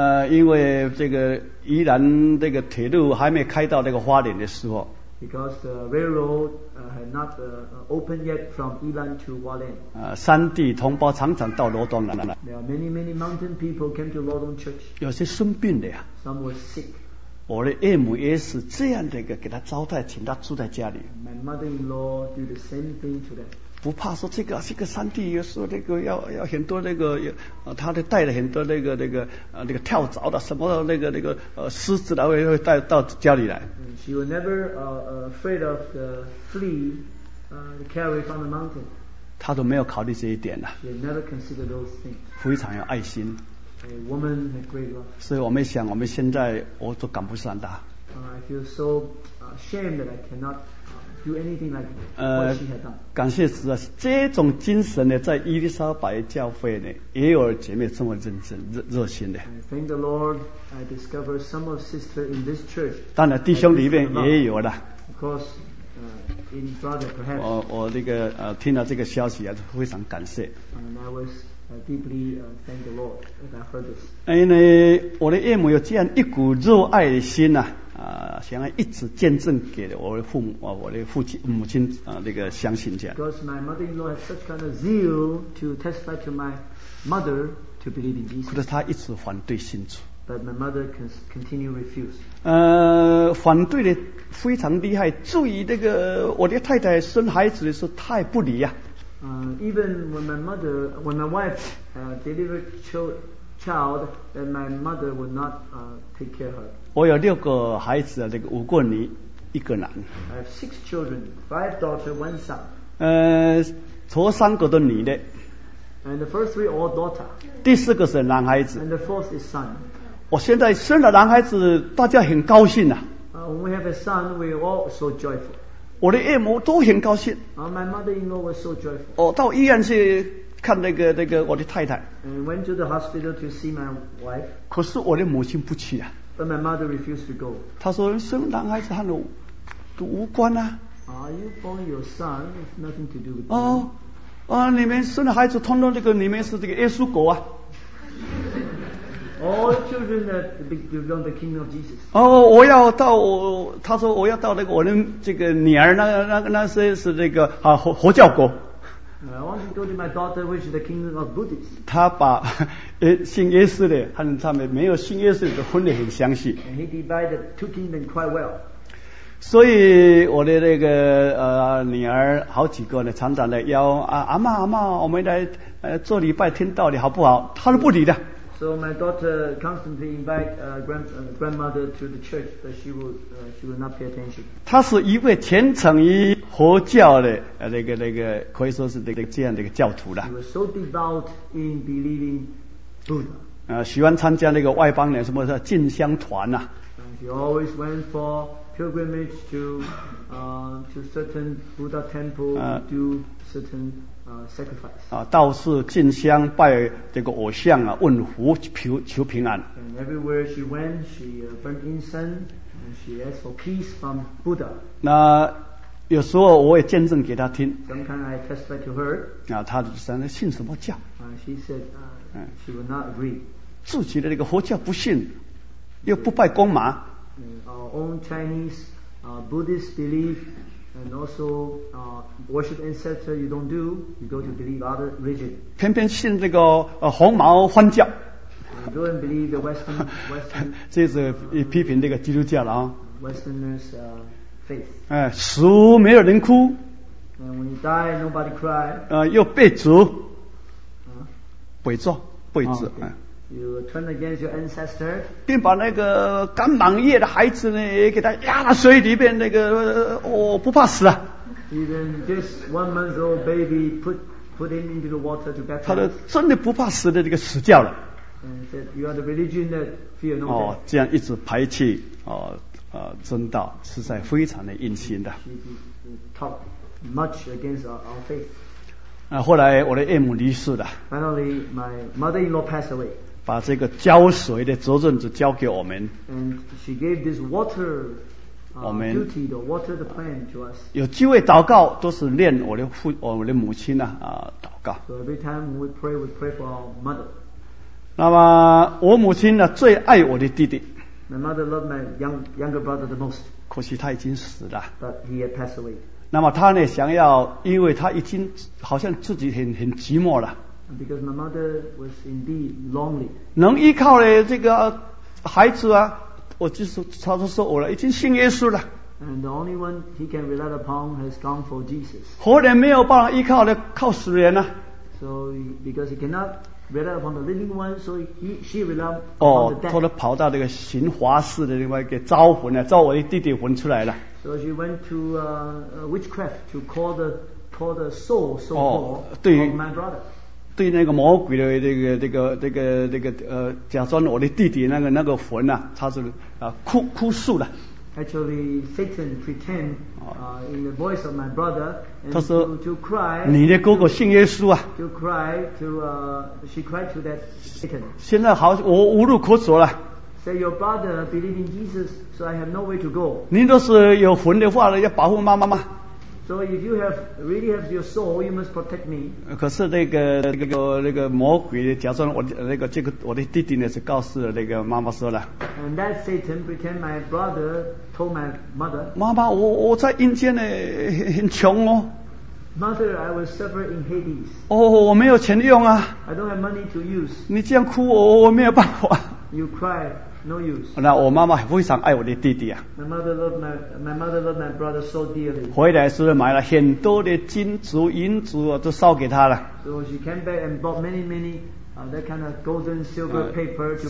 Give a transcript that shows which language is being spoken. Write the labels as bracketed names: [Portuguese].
[Chinese] 因为这个宜兰这个铁路还没开到这个花莲的时候。 [English] Because the railroad had not opened yet from Yilan to Hualien. [Chinese] 山地同胞常常到罗东来。 [English] There are many, many mountain people came to Lodong Church. [Chinese] 有些生病的呀。 [English] Some were sick. [Chinese] 我的岳母也是这样的一个给他招待，请他住在家里。 [English] My mother-in-law did the same thing to them. [Chinese] 不怕说这个山地有时候那个要很多那个，他的带了很多那个跳蚤的什么的那个狮子的会带到家里来。 [English] She was never afraid of the flea carry from the mountain. [Chinese] 他都没有考虑这一点了。 [English] She had never considered those things. [Chinese] 非常有爱心。 [English] A woman had great love. [Chinese] 所以我们想，我们现在我都赶不上他。 [English] I feel so ashamed that I cannot do anything like what she had done. [Chinese] 感谢主啊，这种精神呢，在伊丽莎白教会呢，也有姐妹这么认真、热心的。 [English] I thank the Lord, I discovered some of sister in this church. [Chinese] 当然，弟兄里面也有的。 [English] Of course, in brother perhaps. [Chinese] 我那个听了这个消息啊，非常感谢。 [English] And I was deeply thank the Lord that I heard this. [Chinese] 因为我的岳母有这样一股热爱的心呐、啊。想要一直见证给我的父母，我的父亲、母亲这个相信这样。 [English] Because my mother-in-law has such kind of zeal to testify to my mother to believe in Jesus. [Chinese] 可是她一直反对信主。 [English] But my mother continue refuse. [Chinese] 反对的非常厉害。注意那个我的太太生孩子的时候，她也不离呀、啊。 [English] Even when my wife delivered child, then my mother would not take care of her. [Chinese] 我有六个孩子，这个五个女，一个男。 [English] I have six children, five daughters, one son. [Chinese] 头三个都女的。 [English] And the first three all daughter. [Chinese] 第四个是男孩子。 [English] And the fourth is son. [Chinese] 我现在生了男孩子，大家很高兴呐、啊。 [English] When we have a son, we are all so joyful. [Chinese] 我的岳母都很高兴。 [English] My mother-in-law was so joyful. [Chinese] 到医院去。看那个我的太太。 [English] And went to the hospital to see my wife. [Chinese] 可是我的母亲不去啊。 [English] But my mother refused to go. [Chinese] 她说生男孩子和我都无关啊。 [English] Are you born your son? It's nothing to do with him. [Chinese] 你们生的孩子通通这个你们是这个耶稣狗啊。 [English] All children that belong to the kingdom of Jesus. [Chinese] 我要到她说我要到那个我的这个女儿那些是那个活教狗。 [English] I want to go to my daughter, which is the kingdom of Buddhists. [Chinese] 他把信耶稣的和他们没有信耶稣的分得很详细。 [English] And he divided the two kingdoms quite well. [Chinese] 所以我的那个女儿好几个呢，常常的邀阿妈阿妈，我们来做礼拜听道理好不好？她都不理的。 [English] So my daughter constantly invite grandmother to the church, but she will not pay attention. [Chinese] 她是一位虔诚于佛教的那个可以说是那个这样的一个教徒了。 [English] She was so devout in believing Buddha. [Chinese] 喜欢参加那个外邦人什么的进香团呐、啊。 [English] She always went for pilgrimage to certain Buddha temple to certain. Sacrifice. [Chinese] 到处进香拜这个偶像啊，问福求平安。 [English] And everywhere she went, she burnt incense and she asked for peace from Buddha. [Chinese] 那有时候我也见证给她听。 [English] Sometimes I testify to her. [Chinese] 她就说她信什么教？ [English] She said she would not agree. [Chinese] 自己的这个佛教不信，又不拜公马。 [English] Our own Chinese Buddhist belief. And also, worship ancestor you don't do, you go to believe other religion. [Chinese] 偏偏信这个红毛欢教。 [English] Go and believe the Western. [Chinese] 这是批评这个基督教了啊。 [English] Westerners faith. [Chinese] 死没有人哭。 [English] And when you die, nobody cry. [Chinese] 又背祖。背祖，背祖。 [English] You turn against your ancestor, [Chinese] 并把那个刚满月的孩子呢，给他压到水里边，那个不怕死啊。 [English] Even this 1 month old baby put him into the water to baptize. [Chinese] 他的真的不怕死的这个死教了。 [English] And said you are the religion that fear no death. [Chinese] 这样一直排斥真道，实在非常的硬心的。 [English] Talk much against our faith. [Chinese] 后来我的岳母离世了。 [English] Finally, my mother-in-law passed away. [Chinese] 把这个浇水的责任就交给我们。 [English] And she gave this water [Chinese] 我们 [English] duty the water the plant to us. [Chinese] 有机会祷告都是念我的父我的母亲啊祷告。 [English] So every time we pray, we pray for our mother. [Chinese] 那么我母亲呢最爱我的弟弟。 [English] My mother loved my younger brother the most. [Chinese] 可惜他已经死了。 [English] But he had passed away. [Chinese] 那么他呢想要因为他已经好像自己很寂寞了。 [English] Because my mother was indeed lonely. [Chinese] 能依靠的这个孩子啊，我就是他就说我了，已经信耶稣了。 [English] And the only one he can rely upon has gone for Jesus. [Chinese] 活人没有办法依靠的，靠死人呐、啊。 [English] So because he cannot rely upon the living one, so she relied on the dead. [Chinese] 哦，他跑到这个行华寺的另外一个招魂了，招我的弟弟魂出来了。 [English] So she went to witchcraft to call the soul so called、哦、 of my brother. [Chinese] 对那个魔鬼的这个假装我的弟弟那个魂啊，他是哭诉的。 [English] Actually, Satan pretend in the voice of my brother, and [Chinese] 他说 [English] to cry. [Chinese] 你的哥哥信耶稣啊。 [English] To cry to she cried to that Satan. [Chinese] 现在好，我无路可走了。 [English] Say your brother believe in Jesus, so I have no way to go. [Chinese] 您都是有魂的话了，要保护妈妈吗？ [English] So if you really have your soul, you must protect me. [Chinese] 可是那个魔鬼假装我那个这个我的弟弟呢，是告诉那个妈妈说了。 [English] And that Satan pretend my brother told my mother. [Chinese] 妈妈，我在阴间呢，很穷哦。 [English] Mother, I was suffering in Hades. [Chinese] 哦，我没有钱用啊。 [English] I don't have money to use. [Chinese] 你这样哭，我没有办法。 [English] You cry. No use. [Chinese] 那我妈妈非常爱我的弟弟啊。 [English] My mother loved my brother so dearly. [Chinese] 回来是买了很多的金子、银子啊，都烧给他了。 [English] So she came back and bought many that kind of golden silver paper to burn.